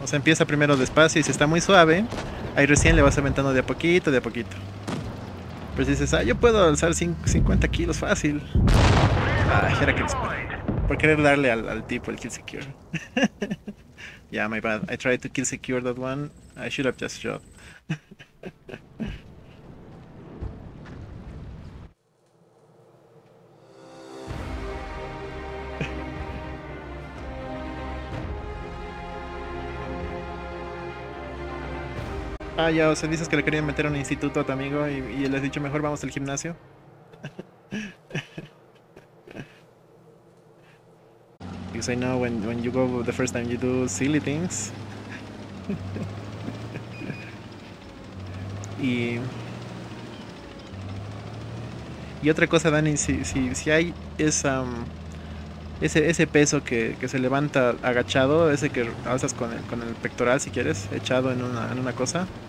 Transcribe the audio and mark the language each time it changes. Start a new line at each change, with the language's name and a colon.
Spanish: O sea, empieza primero despacio y si está muy suave, ahí recién le vas aumentando de a poquito. Pero si dices, ah, yo puedo alzar 50 kilos fácil. Ay, era que por querer darle al tipo el kill secure.
English: Yeah, my bad. I tried to kill secure that one. I should have just shot.
Spanish: Ah, ya, o sea, dices que le querían meter a un instituto a tu amigo y le has dicho, mejor vamos al gimnasio.
English: Because I know when you go the first time you do silly things.
Spanish: Y otra cosa, Dani, si hay ese peso que se levanta agachado, ese que alzas con el pectoral, si quieres, echado en una cosa.